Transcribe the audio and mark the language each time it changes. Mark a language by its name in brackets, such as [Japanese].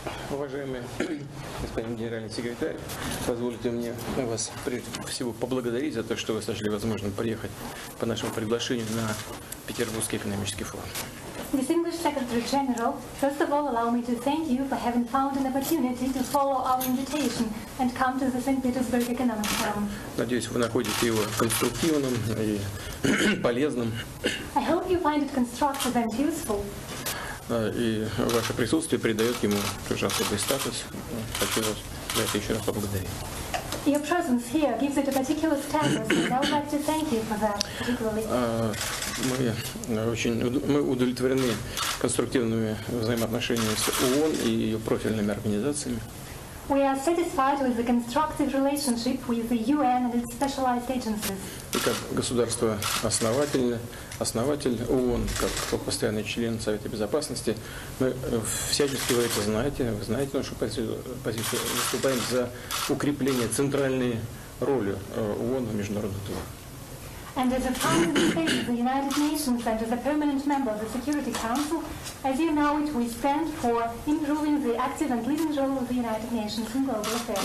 [Russian] Уважаемый господин генеральный секретарь, позвольте мне вас прежде всего поблагодарить за то, что вы сочли возможным приехать по нашему приглашению на Петербургский экономический форум. [English] Distinguished Secretary General, first of all, allow me to thank you for having found an opportunity to follow our invitation and come to the St. Petersburg Economic Forum. [Russian] Надеюсь, вы находите его конструктивным и полезным. [English] I hope you find it constructive and useful. [Russian] И ваше присутствие придает ему тоже особый статус. Хочу вас за это еще раз поблагодарить. [English] Your presence here gives it a particular status, and I would like to thank you for that particularly. [Russian] Мы удовлетворены конструктивными взаимоотношениями с ООН и ее профильными организациями. [English] We are satisfied with the constructive relationship with the UN and its specialized agencies. [Russian] И как государство основатель ООН, как постоянный член Совета Безопасности, мы всячески, вы это знаете, вы знаете нашу позицию, выступаем за укрепление центральной роли ООН в международном туре. [English] And as a founding state of the United Nations and as a permanent member of the Security Council, as you know it, we stand for improving the active and leading role of the United Nations in global affairs.